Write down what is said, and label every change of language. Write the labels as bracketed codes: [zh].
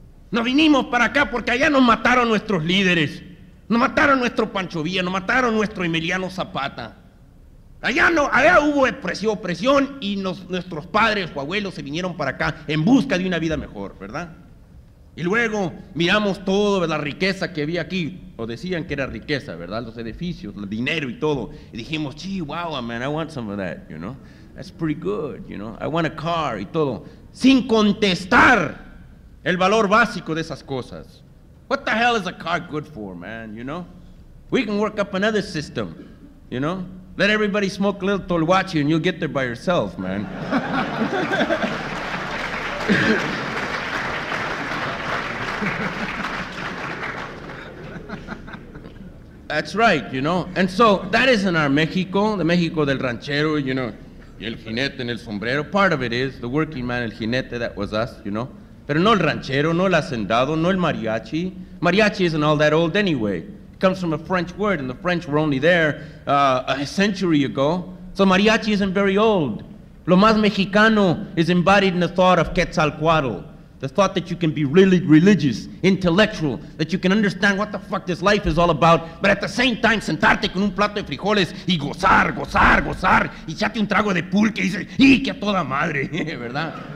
[es] No vinimos para acá porque allá nos mataron nuestros líderes. Nos mataron nuestro Pancho Villa, nos mataron nuestro Emiliano Zapata. Allá no, allá hubo opresión y nuestros padres o abuelos se vinieron para acá en busca de una vida mejor, ¿verdad? Y luego miramos todo de la riqueza que había aquí, o decían que era riqueza, ¿verdad? Los edificios, el dinero y todo. Y dijimos, chihuahua, [en] man, I want some of that, you know? That's pretty good, you know? I want a car [es] y todo. Sin contestar el valor básico de esas cosas. [en] What the hell is a car good for, man, you know? We can work up another system, you know? Let everybody smoke a little toluachi and you'll get there by yourself, man. That's right, you know. And so, that isn't our Mexico, the Mexico [es] del ranchero, [en] you know, [es] y el jinete en el sombrero. [en] Part of it is, the working man, el jinete, that was us, you know. [es] Pero no el ranchero, no el hacendado, no el mariachi. [en] Mariachi isn't all that old anyway. It comes from a French word, and the French were only there a century ago. So mariachi isn't very old. [es] Lo más mexicano [en] is embodied in the thought of Quetzalcoatl. The thought that you can be really religious, intellectual, that you can understand what the fuck this life is all about, but at the same time, [es] sentarte con un plato de frijoles y gozar, gozar, gozar, y echarte un trago de pulque y dices, ¡y que a toda madre! ¿Verdad?